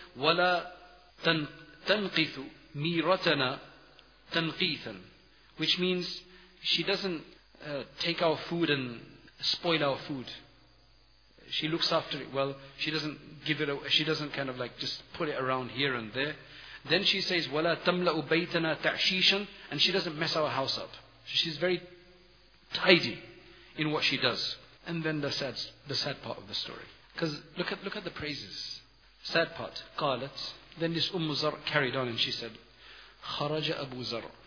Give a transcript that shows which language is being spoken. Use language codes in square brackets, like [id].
[ar] وَلَا تَنْقِثُ مِيرَتَنَا تَنْقِيثًا. [en] Which means she doesn't take our food and spoil our food. She looks after it well. She doesn't give it away. She doesn't kind of like just put it around here and there. Then she says, [ar] وَلَا تَمْلَأُ بَيْتَنَا تَعْشِيشًا. [en] And she doesn't mess our house up. She's very tidy in what she does. And then the sad part of the story. Because look at the praises. Sad part. [ar] قالت. [en] Then this Ummu Zar carried on and she said, [ar] خرج أبو زر.